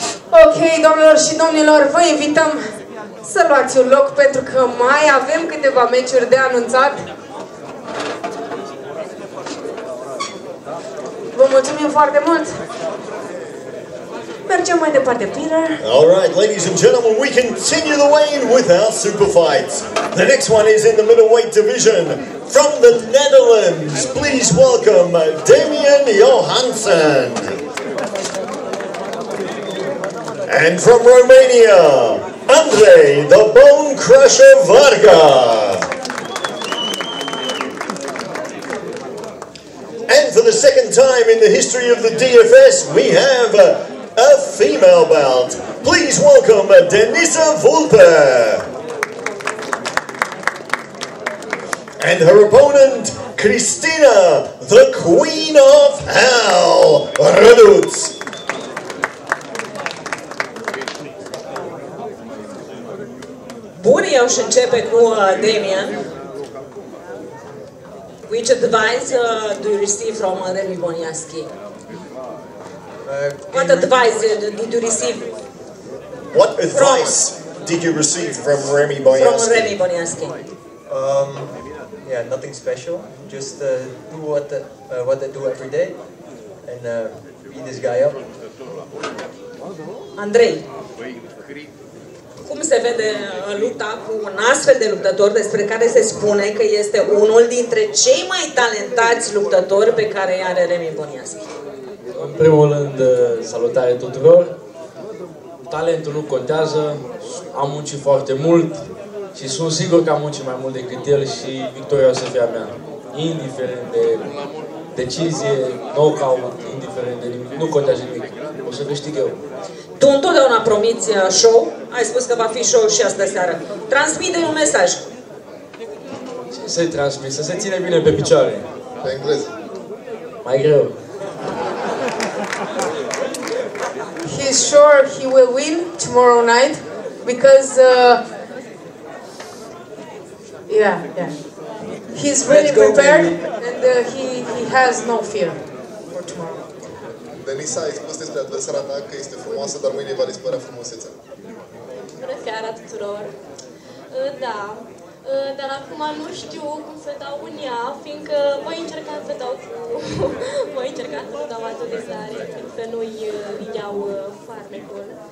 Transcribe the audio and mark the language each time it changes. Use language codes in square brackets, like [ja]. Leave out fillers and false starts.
[ro] Ok, domnilor și domnilor, vă invităm să luați un loc pentru că mai avem câteva meciuri de anunțat. Vă mulțumim foarte mult! Mergem mai departe, Peter. [en] All right, ladies and gentlemen, we continue the way with our super fights. The next one is in the middleweight division. From the Netherlands, please welcome Damian Johansson. And from Romania, Andrei the Bone Crusher Varga. And for the second time in the history of the DFS, we have a female bout. Please welcome Denisa Vulpe. And her opponent, Christina the Queen of Hell, Reduz. [ro] Bun, eu și începe cu Damian. [en] Which advice do you receive from Remy Boniaski? What advice did you receive? What advice did you receive from Remy Boniaski? From Remy Boniaski. Yeah, nothing special. Just do what I do every day and beat this guy up. Andrei. [ro] Cum se vede lupta cu un astfel de luptător despre care se spune că este unul dintre cei mai talentați luptători pe care i are Remy Boniaski? În primul rând, salutare tuturor. Talentul nu contează, am muncit foarte mult și sunt sigur că am muncit mai mult decât el și victoria o să fie a mea. Indiferent de decizie, knockout, indiferent de nimic, nu contează nimic. O să câștig eu. Tu întotdeauna promiți show, ai spus că va fi show și astă seară. Transmite un mesaj. Ce să-i transmit? Să se ține bine pe picioare. Pe engleză. Mai greu. [en] He's sure he will win tomorrow night because... Yeah. He's really prepared and he has no fear for tomorrow. [ro] Denisa, ai spus despre adversara mea că este frumoasă, dar mâine va dispărea frumusețea. Bună seara tuturor! Da, dar acum nu știu cum să dau în ea, fiindcă voi încerca să dau cu... voi încerca să nu dau atât de tare, fiindcă nu-i iau farmecul.